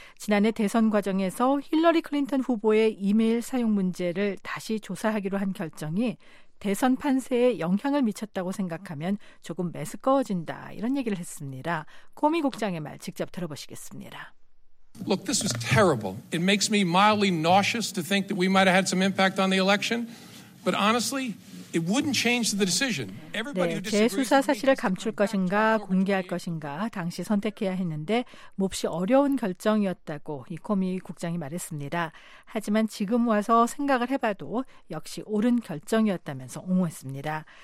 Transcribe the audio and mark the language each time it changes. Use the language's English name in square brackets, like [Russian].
[Korean] 지난해 대선 과정에서 힐러리 클린턴 후보의 이메일 사용 문제를 다시 조사하기로 한 결정이 대선 판세에 영향을 미쳤다고 생각하면 조금 메스꺼워진다 이런 얘기를 했습니다. 코미 국장의 말 직접 들어보시겠습니다. [English] Look, this is terrible. It makes me mildly nauseous to think that we might have had some impact on the election. But honestly, it wouldn't change the decision. Everybody [Korean] 네, 제 수사 사실을 감출 것인가, 공개할 것인가, 당시 선택해야 했는데 몹시 어려운 결정이었다고 이 코미 국장이 말했습니다. 하지만 지금 와서 생각을 해봐도 역시 옳은 결정이었다면서 옹호했습니다.